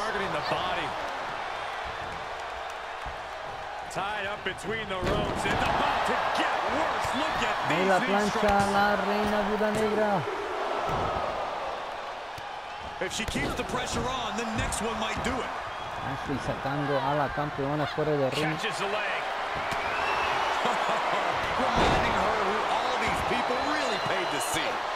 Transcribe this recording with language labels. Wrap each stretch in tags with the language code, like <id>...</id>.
<en>Targeting the body. Tied up between the ropes. It's about to get worse. Look at these.</en> <es>Ahí la plancha, la reina viuda negra.</es> <en>If she keeps the pressure on, the next one might do it.</en> <es>Ashley sacando a la campeona fuera de ring.</es> <en>Catches the leg. Reminding her who all these people really paid to see.</en>